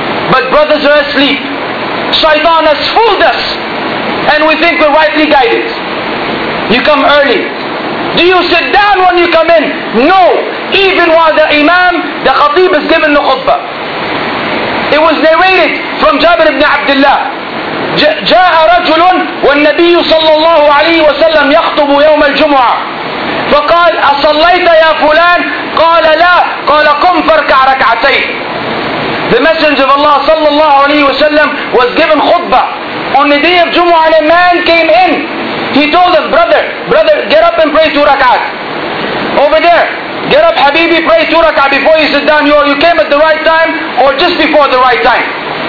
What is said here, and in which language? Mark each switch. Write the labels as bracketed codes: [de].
[en] But brothers are asleep. Shaitan has fooled us. And we think we're rightly guided. You come early. Do you sit down when you come in? No. Even while the Imam, the Khatib is giving the khutbah. It was narrated from Jabir ibn Abdullah. [ar] جَاءَ رَجُلٌ وَالنَّبِيُّ صَلَّى اللَّهُ عَلَيْهِ وَسَلَّمْ يَخْطُبُ يَوْمَ الْجُمُعَةِ فقال أصليت يا فلان قال لا قال قم فركع ركعتين. [en] The Messenger of Allah صلى الله عليه وسلم was given khutbah on the day of Jumu'ah, and a man came in. He told us, brother, get up and pray 2 rak'at over there. Get up Habibi, pray 2 rak'at before you sit down. You came at the right time or just before the right time.